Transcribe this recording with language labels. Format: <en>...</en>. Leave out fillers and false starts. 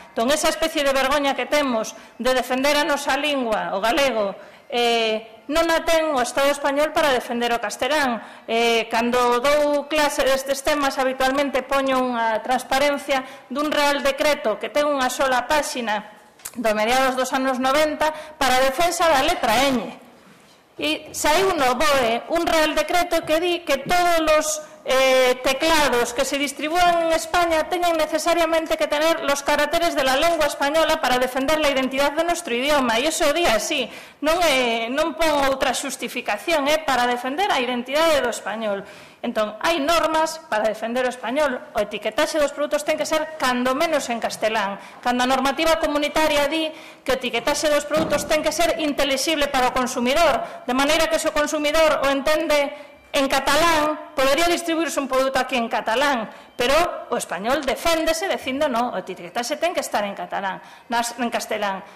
<gl>Entón, esa especie de vergoña que temos de defender a nosa lingua, o galego, non a ten o Estado español para defender o castelán. Cando dou clase destes temas, habitualmente poño unha transparencia dun real decreto que ten unha sola páxina do mediados dos anos 90 para a defensa da letra Ñ. E saiu no BOE un real decreto que di que todos os teclados que se distribúan en España teñen necesariamente que</gl> <es>tener los caracteres de la lengua española para defender la identidad de nuestro idioma.</es> <gl>E iso di así, non pon outra xustificación, para defender a identidade do español. Entón, hai normas para defender o español. O etiquetaxe dos produtos ten que ser cando menos en castelán. Cando a normativa comunitaria di que o etiquetaxe dos produtos ten que ser intelixible para o consumidor, de maneira que se o consumidor o entende en catalán, podería distribuirse un produto aquí en catalán, pero o español deféndese dicindo no, o etiquetaxe ten que estar en catalán, en castelán.</gl>